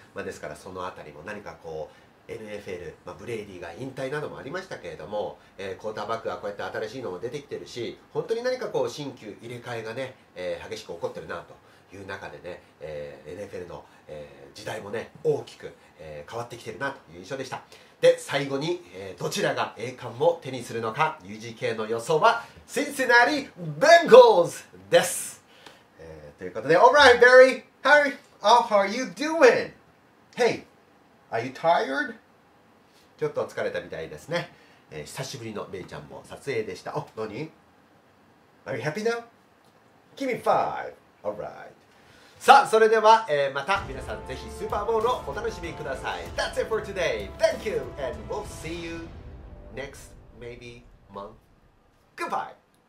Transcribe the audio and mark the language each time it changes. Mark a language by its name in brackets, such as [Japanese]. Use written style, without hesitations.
[Japanese] まあ、ですからそのあたりも何かこうNFL、まあ、ブレイディが引退などもありましたけれども、クォーターバックがこうやって新しいのも出てきてるし、本当に何かこう新旧入れ替えがね、激しく起こってるなという中でね、NFL の、時代もね大きく、変わってきてるなという印象でした。で最後に、どちらが栄冠を手にするのか、 UGK の予想はシンシナリベンゴーズです。ということで [English] Alright Barry How are you doing? HeyAre you tired? [Japanese] ちょっと疲れたみたいですね。久しぶりのベイちゃんも撮影でした。お、何 [English] Are you happy now? Give me five. Alright. [Japanese] さあ、それでは、また皆さんぜひスーパーボールをお楽しみください。 [English] That's it for today. Thank you. And we'll see you next maybe month. Goodbye.